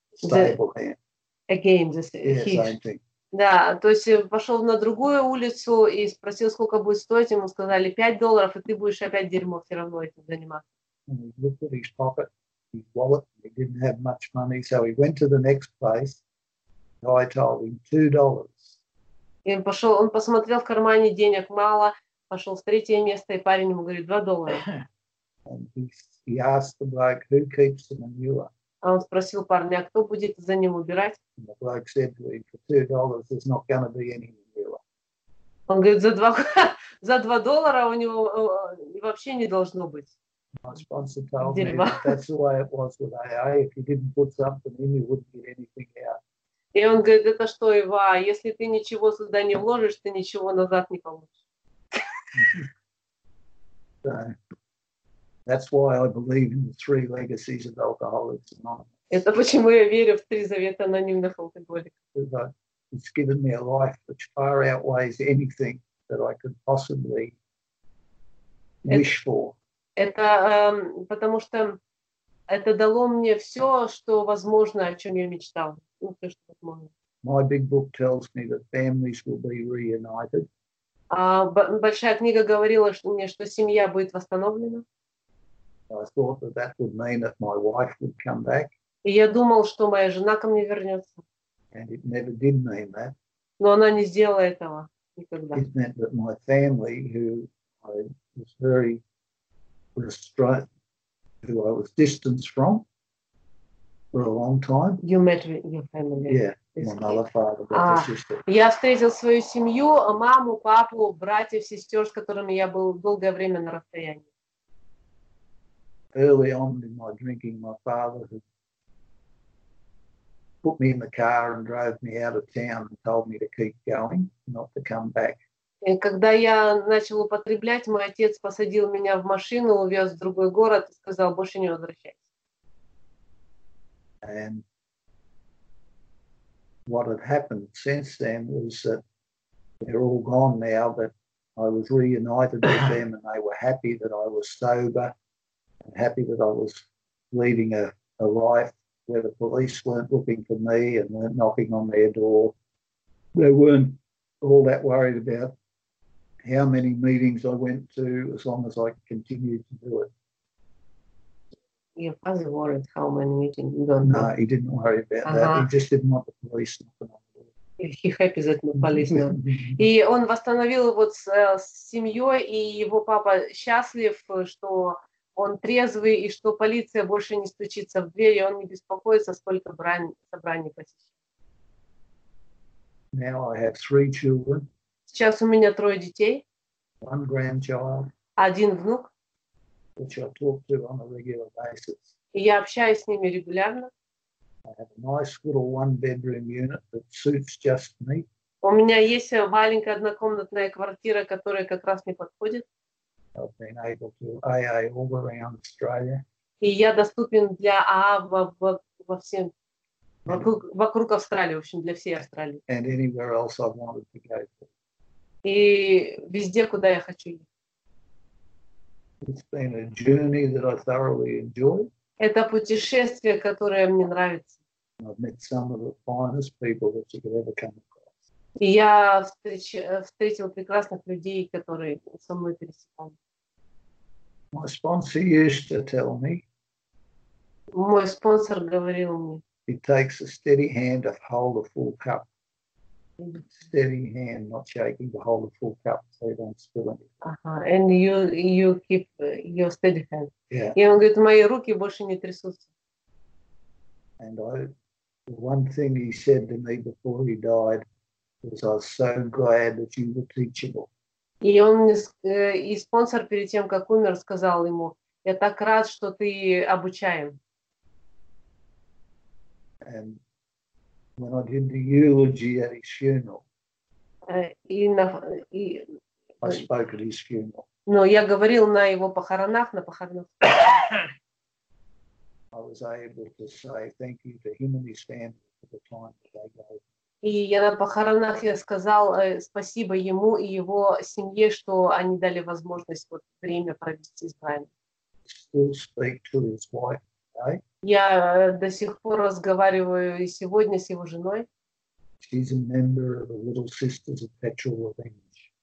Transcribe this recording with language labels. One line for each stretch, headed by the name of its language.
English: Stable hand. Again, the same thing.
Russian: Да, то есть пошел на другую улицу и спросил, сколько будет стоить. Ему сказали $5, и ты будешь опять дерьмо все равно этим заниматься.
English: And he looked at his pocket, his wallet, and he didn't have much money, so he went to the next place. I told him $2.
Russian: И он посмотрел в кармане, денег мало. Пошел в третье место, и парень ему говорит, $2.
English: And he asked the bloke, who keeps the manure?
Russian: А он спросил парня, а кто будет за ним убирать?
English: And the bloke said to him, for $2, there's not going to be any manure.
Russian: Он говорит, $2 у него вообще не должно быть.
English: My sponsor told me that that's the way it was with AA. If you didn't put something in, you wouldn't get anything out.
Russian: И он говорит, это что, Ива, если ты ничего сюда не вложишь, ты ничего назад не получишь.
English: So that's why I believe in the three legacies of Alcoholics Anonymous.
Russian: Это почему я верю в три завета анонимных алкоголиков.
English: It's given me a life which far outweighs anything that I could possibly wish for.
Russian: Это потому что это дало мне все, что возможно, о чем я мечтал. Все, что возможно.
English: My big book tells me that families will be reunited.
Russian: Большая книга говорила мне, что семья будет восстановлена.
English: I thought that that would mean that my wife would come back.
Russian: И я думал, что моя жена ко мне вернется.
English: And it never did mean that.
Russian: Но она не сделала этого никогда.
English: It meant that my family, who I was very restrained, who I was distanced from, for a long time. You met your family. Yeah, my mother, father, brother, sister.
Russian: Я встретил свою семью, маму, папу, братьев, сестер, с которыми я был долгое время на расстоянии.
English: Early on in my drinking, my father had put me in the car and drove me out of town and told me to keep going, not to come back.
Russian: И когда я начал употреблять, мой отец посадил меня в машину, увез в другой город и сказал, больше не возвращайся.
English: And what had happened since then was that they're all gone now, but I was reunited with them and they were happy that I was sober and happy that I was leading a life where the police weren't looking for me and weren't knocking on their door. They weren't all that worried about how many meetings I went to, as long as I continued to do it. Your father worried how many meetings you don't know. No, he didn't worry about that. He just didn't want the police knocking on the door. He happy that the police know.
Russian: И он восстановил вот с семьей, и его папа счастлив, что он трезвый, и что полиция больше не стучится в дверь, и он не беспокоится, сколько собраний посещает.
English: Now I have three children.
Russian: Сейчас у меня трое детей.
English: One grandchild,
Russian: один внук.
English: Which I talk to on a regular basis.
Russian: И я общаюсь с ними регулярно.
English: I have a nice little one-bedroom unit that suits just me.
Russian: У меня есть маленькая однокомнатная квартира, которая как раз мне подходит.
English: I've been able to AA all around Australia.
Russian: И я доступен для АА во всем вокруг Австралии, в общем, для всей Австралии.
English: And anywhere else I've wanted to go to.
Russian: И везде, куда я хочу.
English: It's been a journey that I thoroughly enjoy.
Russian: Это путешествие, которое мне нравится.
English: I've met some of the finest people that you could ever come across.
Russian: И я встретил прекрасных людей, которые со мной пересекали.
English: My sponsor used to tell me.
Russian: Мой спонсор говорил мне.
English: It takes a steady hand to hold a full cup. Steady hand, not shaking, to hold a full cup so you don't spill anything. And you keep your steady hand. Yeah.
Russian: И он говорит, мои руки больше не трясутся.
English: And one thing he said to me before he died was, I was so glad that you were teachable.
Russian: И он, и спонсор перед тем, как умер, сказал ему, я так рад, что ты обучаем.
English: And when I did the eulogy at his funeral, I spoke at his funeral.
Russian: Но я говорил на его похоронах, на похоронах.
English: I was able to say thank you to him and his family for the time that they gave.
Russian: И я на похоронах я сказал спасибо ему и его семье, что они дали возможность вот время провести с нами.
English: Still speak to his wife.
Russian: Я до сих пор разговариваю и сегодня с его женой.
English: She's a member of the Little Sisters of Perpetual Revenge.